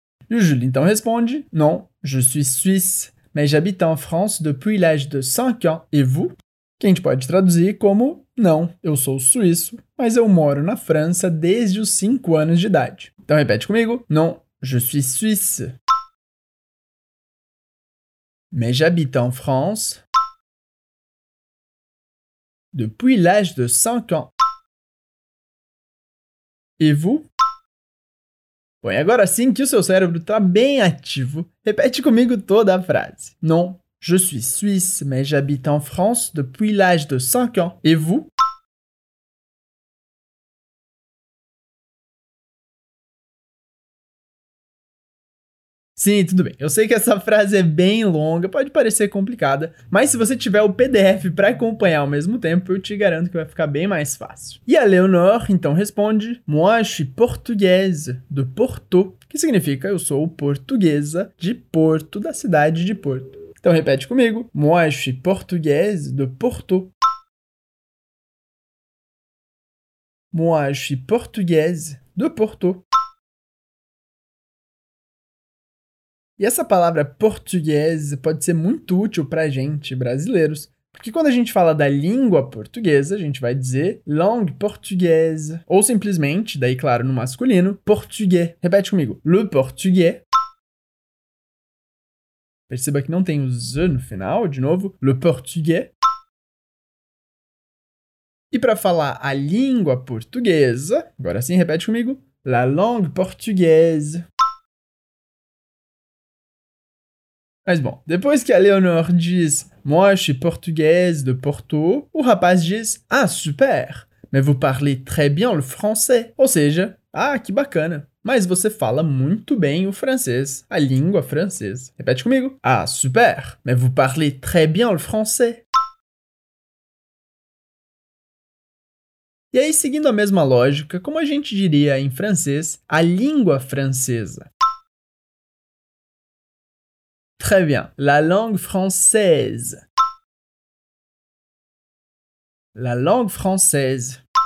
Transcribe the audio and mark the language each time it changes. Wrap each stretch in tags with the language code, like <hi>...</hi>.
<pt>E o Jules então responde,</pt> <fr>non, je suis suisse, mais j'habite en France depuis l'âge de 5 ans. Et vous?</fr> <pt>Que a gente pode traduzir como, não, eu sou suíço, mas eu moro na França desde os 5 anos de idade. Então repete comigo,</pt> <fr>non, je suis suisse. Mais j'habite en France depuis l'âge de 5 ans. Et vous?</fr> <pt>Bom, agora sim que o seu cérebro está bem ativo, repete comigo toda a frase.</pt> <fr>Non, je suis suisse, mais j'habite en France depuis l'âge de 5 ans. Et vous?</fr> <pt>Sim, tudo bem. Eu sei que essa frase é bem longa, pode parecer complicada, mas se você tiver o PDF para acompanhar ao mesmo tempo, eu te garanto que vai ficar bem mais fácil. E a Leonor, então, responde,</pt> <fr>Moi, je suis portugaise, de Porto,</fr> <pt>que significa eu sou portuguesa de Porto, da cidade de Porto. Então, repete comigo,</pt> <fr>Moi, je suis portugaise, de Porto. Moi, je suis portugaise, de Porto.</fr> <pt>E essa palavra português pode ser muito útil para a gente, brasileiros. Porque quando a gente fala da língua portuguesa, a gente vai dizer</pt> <fr>langue portugaise.</fr> <pt>Ou simplesmente, daí claro, no masculino, português. Repete comigo.</pt> <fr>Le portugais.</fr> <pt>Perceba que não tem o z no final, de novo.</pt> <fr>Le portugais.</fr> <pt>E para falar a língua portuguesa, agora sim, repete comigo.</pt> <fr>La langue portugaise.</fr> <pt>Mas bom, depois que a Leonor diz</pt> <fr>Moi, je suis portugaise de Porto,</fr> <pt>o rapaz diz</pt> <fr>Ah, super! Mais vous parlez très bien le français.</fr> <pt>Ou seja, Ah, que bacana! Mas você fala muito bem o francês, a língua francesa. Repete comigo.</pt> <fr>Ah, super! Mais vous parlez très bien le français.</fr> <pt>E aí, seguindo a mesma lógica, como a gente diria em francês, a língua francesa?</pt> <fr>Très bien. La langue française. La langue française.</fr>